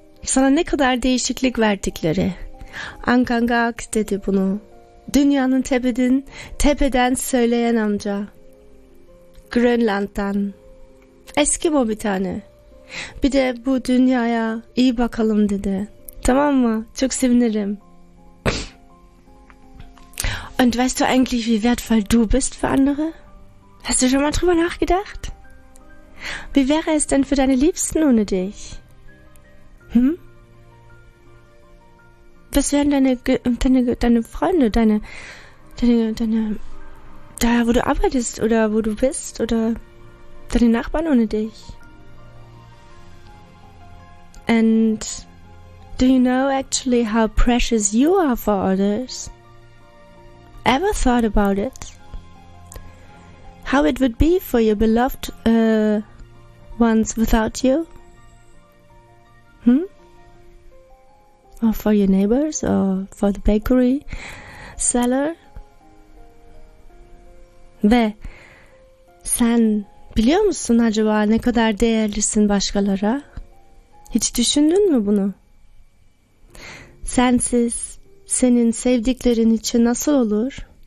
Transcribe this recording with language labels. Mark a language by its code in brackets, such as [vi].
[tr] sana ne kadar değişiklik verdikleri. Angangak dedi bunu. Dünyanın tepeden söyleyen amca. Grönland'dan. Eski bu bir tane. Bir de bu dünyaya iyi bakalım dedi. Tamam mı? Çok sevinirim. [de] Und weißt du eigentlich, wie wertvoll du bist für andere? Hast du schon mal drüber nachgedacht? Wie wäre es denn für deine Liebsten ohne dich? Hm? Was wären deine Freunde, da wo du arbeitest oder wo du bist oder deine Nachbarn ohne dich? [en] And do you know actually how precious you are for others? Ever thought about it? How it would be for your beloved ones without you? Hmm? Or for your neighbors, or for the bakery seller? [tr] Ve sen biliyor musun acaba ne kadar değerlisin başkalara? Hiç düşündün mü bunu? Sensiz senin sevdiklerin için nasıl olur?